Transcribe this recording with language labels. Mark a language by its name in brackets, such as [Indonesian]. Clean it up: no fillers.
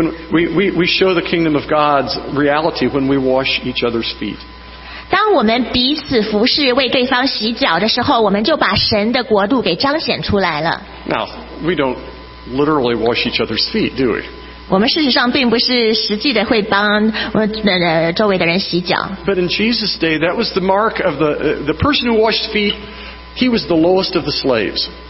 [English] When we show the kingdom of God's reality when we wash each other's feet. [Chinese] 当我们彼此服侍为对方洗脚的时候，我们就把神的国度给彰显出来了。 [English] Now, we don't. Literally wash each other's feet, do we? [Chinese] 我们事实上并不是实际的会帮周围的人洗脚。 [English] But in Jesus' day, that was the mark of the person who washed feet. He was the lowest of the slaves.